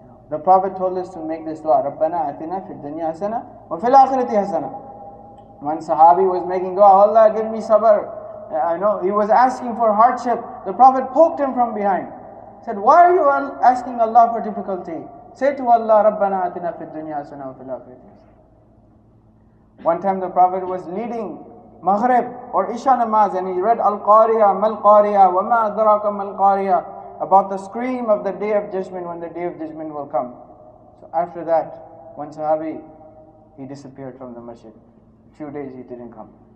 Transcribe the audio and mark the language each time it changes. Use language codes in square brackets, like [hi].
[en] The Prophet told us to make this dua, [ar] رَبَّنَا أَتِنَا فِي الدُّنْيَا حَسَنَةً وَفِي الْآخِرَةِ حَسَنَةً. [en] One Sahabi was making dua, Allah give me sabr. I know, he was asking for hardship. The Prophet poked him from behind. He said, why are you asking Allah for difficulty? Say to Allah, [ar] رَبَّنَا أَتِنَا فِي الدُّنْيَا حَسَنَةً وَفِي الْآخِرَةِ حَسَنَةً. [en] One time the Prophet was leading Maghrib or Isha namaz and he read Al-Qari'ah, Mal-Qari'ah, [ar] وَمَا أَدْرَاكَ مَالْقَارِيَةً, [en] about the scream of the Day of Judgment, when the Day of Judgment will come. So after that, one Sahabi, he disappeared from the masjid. A few days he didn't come.